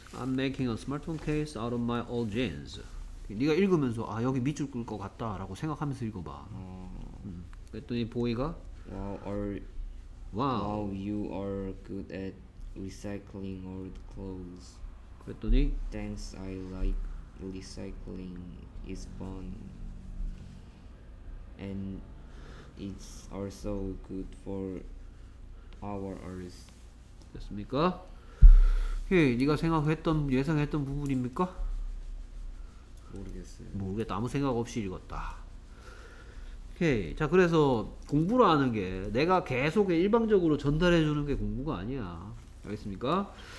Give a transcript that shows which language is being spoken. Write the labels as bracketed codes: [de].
[en] I'm making a smartphone case out of my old jeans. [ko] 네가 읽으면서 아 여기 밑줄 끌 것 같다라고 생각하면서 읽어봐. 그랬더니 보이가 [en] Wow, you are good at recycling old clothes. [ko] 그랬더니 [en] Thanks, I like recycling. It's fun and it's also good for our earth. [ko] 됐습니까? 예, 네가 생각했던, 예상했던 부분입니까? 모르겠어요. 모르겠다. 아무 생각 없이 읽었다. 오케이. 자, 그래서 공부라는 게 내가 계속 일방적으로 전달해주는 게 공부가 아니야. 알겠습니까?